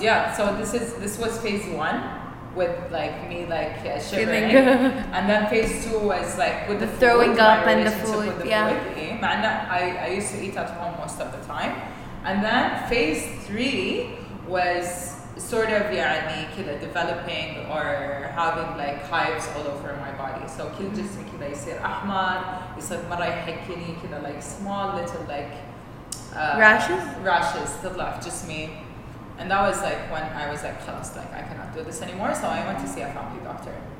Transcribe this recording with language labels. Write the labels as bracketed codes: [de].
[en] Yeah, so this was phase one with like me like shivering, and then phase two was like with the throwing up and the food. I used to eat at home most of the time, and then phase three was sort of [ar] يعني كده [en] developing or having like hives all over my body. So [ar] كل جسمي كده يصير أحمر, يصير مرة يحكيني كده [en] like small little like rashes [ar] تطلع في جسمي. [en] And that was like when I was like [ar] خلاص [en] like I cannot do this anymore. So I went to see a family doctor.